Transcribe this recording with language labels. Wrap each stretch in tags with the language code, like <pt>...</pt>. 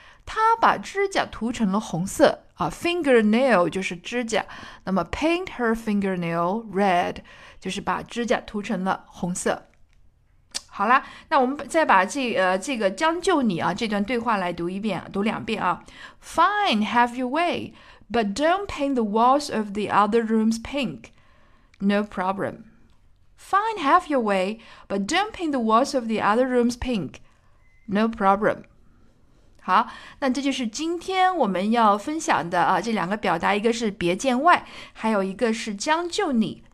<zh>她把指甲涂成了红色啊。 Fingernail 就是指甲，那么</zh> <en>paint her fingernail red</en> <zh>就是把指甲涂成了红色。好啦，那我们再把这个将就你啊这段对话来读一遍，读两遍啊。</zh> <en>Fine, have your way, but don't paint the walls of the other rooms pink. No problem. Fine, have your way, but don't paint the walls of the other rooms pink. No problem.</en> <zh>好，那这就是今天我们要分享的啊，这两个表达，一个是别见外，还有一个是将就你。</zh>